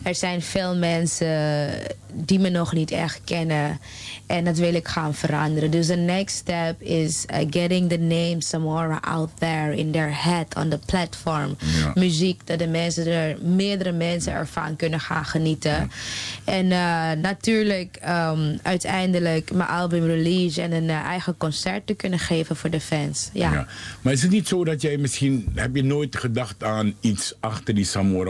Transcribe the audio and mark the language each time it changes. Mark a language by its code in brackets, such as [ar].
[nl] Er zijn veel mensen die me nog niet echt kennen en dat wil ik gaan veranderen. Dus [en] the next step is getting the name Samora out there in their head on the platform. [nl] Ja. Muziek dat meerdere mensen ervan kunnen gaan genieten. Ja. En natuurlijk uiteindelijk mijn album release en een eigen concert te kunnen geven voor de fans. Ja. Maar is het niet zo dat jij misschien, heb je nooit gedacht aan iets achter die Samora?